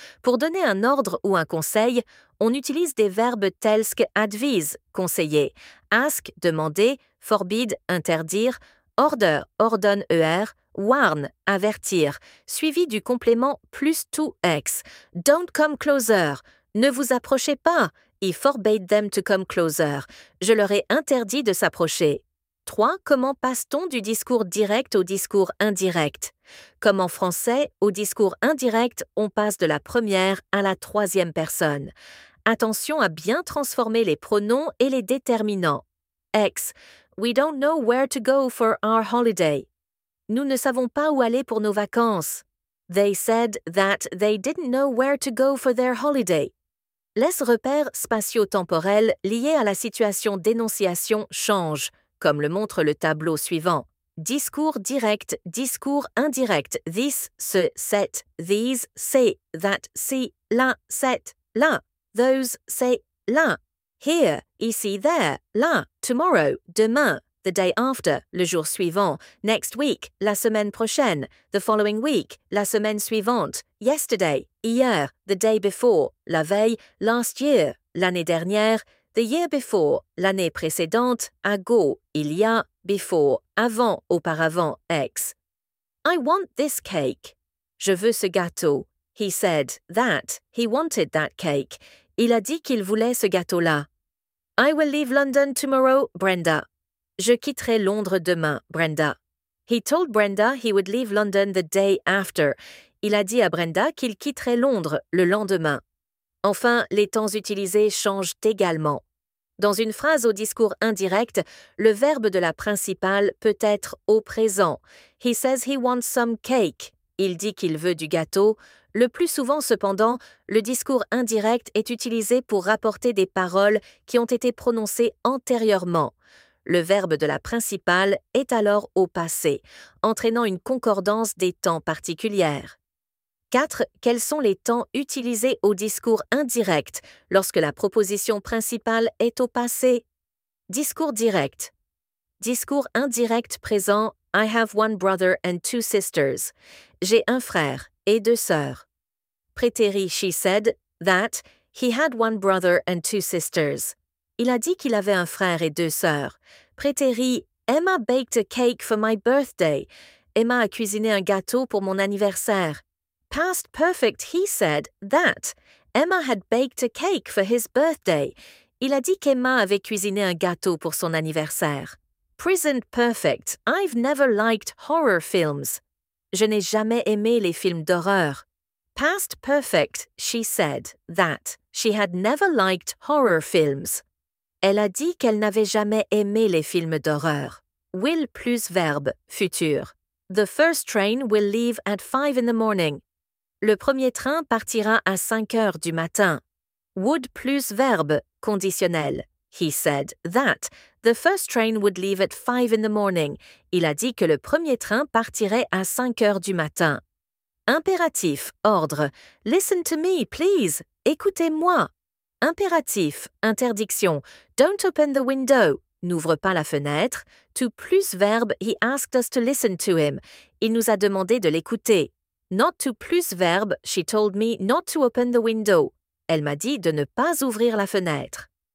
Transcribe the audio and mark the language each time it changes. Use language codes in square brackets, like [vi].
[fr] Pour donner un ordre ou un conseil, on utilise des verbes tels que advise, conseiller, ask, demander, forbid, interdire, order, ordonne, er, warn, avertir, suivi du complément plus to ex, [en] don't come closer, [fr] ne vous approchez pas, [en] he forbade them to come closer, [fr] je leur ai interdit de s'approcher. 3. Comment passe-t-on du discours direct au discours indirect? Comme en français, au discours indirect, on passe de la première à la troisième personne. Attention à bien transformer les pronoms et les déterminants. Ex. [en] We don't know where to go for our holiday. [fr] Nous ne savons pas où aller pour nos vacances. [en] They said that they didn't know where to go for their holiday. [fr] Laisse repère spatio-temporel lié à la situation d'énonciation change. Comme le montre le tableau suivant. Discours direct, discours indirect. This, ce, set, these, say, that, see, là, set, là, those, say, là. Here, ici, there, là, tomorrow, demain, the day after, le jour suivant, next week, la semaine prochaine, the following week, la semaine suivante, yesterday, hier, the day before, la veille, last year, l'année dernière, the year before, l'année précédente, ago, il y a, before, avant, auparavant, ex. [en] I want this cake. [fr] Je veux ce gâteau. [en] He said that, he wanted that cake. [fr] Il a dit qu'il voulait ce gâteau-là. [en] I will leave London tomorrow, Brenda. [fr] Je quitterai Londres demain, Brenda. [en] He told Brenda he would leave London the day after. [fr] Il a dit à Brenda qu'il quitterait Londres le lendemain. Enfin, les temps utilisés changent également. Dans une phrase au discours indirect, le verbe de la principale peut être au présent. [en] He says he wants some cake. [fr] Il dit qu'il veut du gâteau. Le plus souvent, cependant, le discours indirect est utilisé pour rapporter des paroles qui ont été prononcées antérieurement. Le verbe de la principale est alors au passé, entraînant une concordance des temps particulière. 4. Quels sont les temps utilisés au discours indirect lorsque la proposition principale est au passé? Discours direct. Discours indirect présent, [en] I have one brother and two sisters. [fr] J'ai un frère et deux sœurs. [en] Prétérit, she said, that he had one brother and two sisters. [fr] Il a dit qu'il avait un frère et deux sœurs. Prétérit, [en] Emma baked a cake for my birthday. [fr] Emma a cuisiné un gâteau pour mon anniversaire. Past perfect, [en] he said, that Emma had baked a cake for his birthday. [fr] Il a dit qu'Emma avait cuisiné un gâteau pour son anniversaire. [en] Present perfect, I've never liked horror films. [fr] Je n'ai jamais aimé les films d'horreur. Past perfect, [en] she said, that she had never liked horror films. [fr] Elle a dit qu'elle n'avait jamais aimé les films d'horreur. Will plus verbe, futur. [en] The first train will leave at 5 in the morning. [fr] Le premier train partira à 5 heures du matin. Would plus verbe, conditionnel. [en] He said that the first train would leave at 5 in the morning. [fr] Il a dit que le premier train partirait à 5 heures du matin. [en] Impératif, ordre. Listen to me, please. [fr] Écoutez-moi. [en] Impératif, interdiction. Don't open the window. [fr] N'ouvre pas la fenêtre. [en] To plus verbe, he asked us to listen to him. [fr] Il nous a demandé de l'écouter. [en] Not to plus verbe, she told me not to open the window. [fr] Elle m'a dit de ne pas ouvrir la fenêtre.